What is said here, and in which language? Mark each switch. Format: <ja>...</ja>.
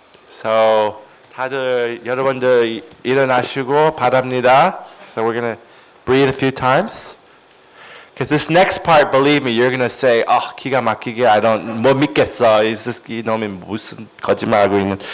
<ko>So, 다들 여러분들 일어나시고 바랍니다.</ko> <en>So we're going to breathe a few times. Because this next part, believe me, you're going to say, oh,</en> <ko>기가 막히게,</ko> <en>I don't,</en> <ko>못 믿겠어. 이 새끼 놈이 무슨 거짓말하고 있는.</ko>